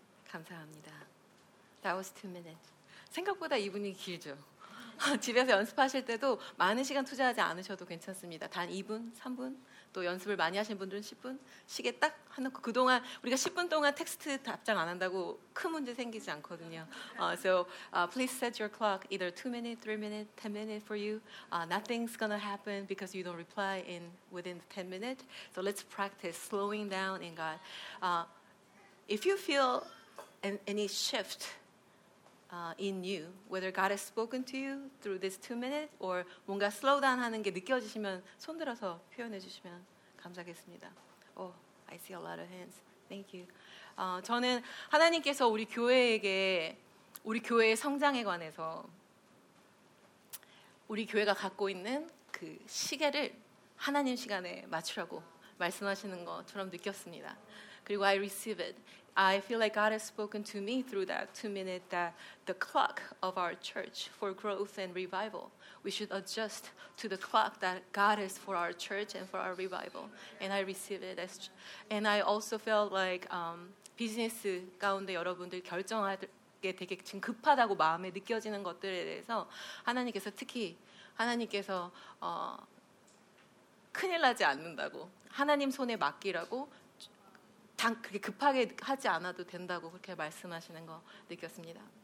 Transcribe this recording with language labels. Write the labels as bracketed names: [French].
[Korean] 감사합니다. [English] That was 2 minutes. [Korean] 생각보다 2분이 길죠. 집에서 연습하실 때도 많은 시간 투자하지 않으셔도 괜찮습니다. 단 2분, 3분, 또 연습을 많이 하신 분들은 10분 시계 딱 해놓고 그동안 우리가 10분 동안 텍스트 답장 안 한다고 큰 문제 생기지 않거든요. [English] Please set your clock either 2 minutes, 3 minutes, 10 minutes for you. Nothing's gonna happen because you don't reply in within 10 minutes. So let's practice slowing down in God. If you feel any shift in you, whether God has spoken to you through this 2 minutes or [Korean] 뭔가 slow down 하는 게 느껴지시면 손 들어서 표현해 주시면 감사하겠습니다. [English] Oh, I see a lot of hands. Thank you. [Korean] 저는 하나님께서 우리 교회에게 우리 교회의 성장에 관해서 우리 교회가 갖고 있는 그 시계를 하나님 시간에 맞추라고 말씀하시는 것처럼 느꼈습니다. 그리고 [English] I receive it. I feel like God has spoken to me through that 2 minutes that the clock of our church for growth and revival, we should adjust to the clock that God is for our church and for our revival. And I receive it. As, and I also felt like [Korean] 비즈니스 가운데 여러분들 결정하게 되게 지금 급하다고 마음에 느껴지는 것들에 대해서 하나님께서 특히 하나님께서 큰일 나지 않는다고 하나님 손에 맡기라고 그렇게 급하게 하지 않아도 된다고 그렇게 말씀하시는 거 느꼈습니다.